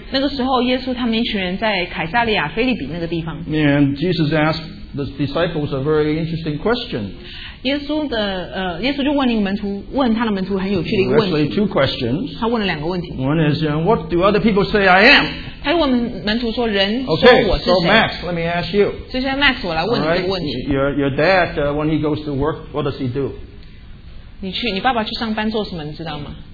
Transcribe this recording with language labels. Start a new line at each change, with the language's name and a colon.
Chinese: 那个时候，耶稣他们一群人在凯撒利亚腓立比那个地方。
English: And Jesus asked the disciples a very interesting question.
Chinese: 耶稣就问那个门徒，问他的门徒很有趣的一个问题。
English: Actually, two questions.
Chinese: 他问了两个问题。
English: One is, what do other people say I am?
Chinese: 他就问门徒说，人说我是
English: 谁？Okay, so Max, let me ask you.
Chinese: 所以现在 Max 我来问你一个问题。
English: Your dad, when he goes to work, what does he do?
Chinese: 你爸爸去上班做什么？你知道吗？